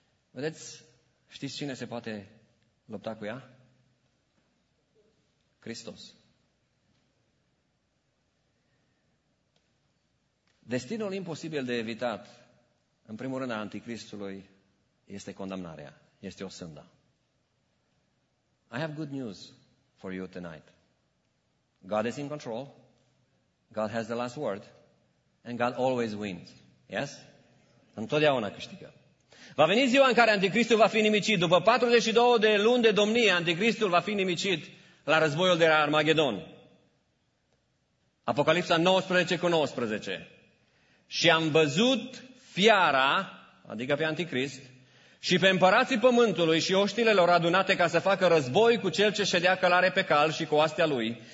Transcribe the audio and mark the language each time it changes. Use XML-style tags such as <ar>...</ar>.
<ro>Vedeți, știți cine se poate lupta cu ea? Hristos. Destinul imposibil de evitat, în primul rând a Anticristului, este condamnarea, este osânda.</ro> <en>I have good news for you tonight. God is in control, God has the last word, and God always wins.</en> <ro>Yes? Întotdeauna câștigă. Va veni ziua în care Anticristul va fi nimicit. După 42 de luni de domnie, Anticristul va fi nimicit la războiul de la Armagedon. Apocalipsa 19:19. Și am văzut fiara, adică pe Anticrist, și pe împărații pământului și oștile lor adunate ca să facă război cu cel ce ședea călare pe cal și cu oastea lui.</ro>